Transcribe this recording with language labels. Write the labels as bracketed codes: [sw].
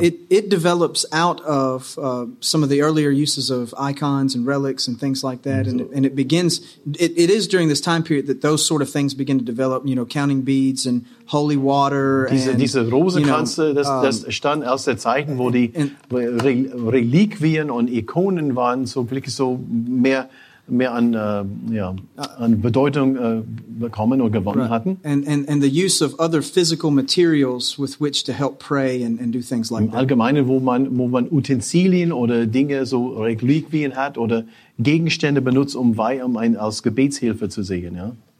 [en] It develops out of some of the earlier uses of icons and relics and things like that, and it is during this time period that those sort of things begin to develop, you know, counting beads and holy water. [de] Diese Rosenkranze, [en] you know, [de] das stand aus der Zeit, wo die Reliquien und Ikonen waren, so wirklich so mehr an an Bedeutung bekommen oder gewonnen hatten. [en] And the use of other physical materials with which to help pray and do things like that. [de] Allgemeine, wo man Utensilien oder Dinge, so Reliquien hat oder Gegenstände benutzt, um einen als Gebetshilfe zu sehen, ja.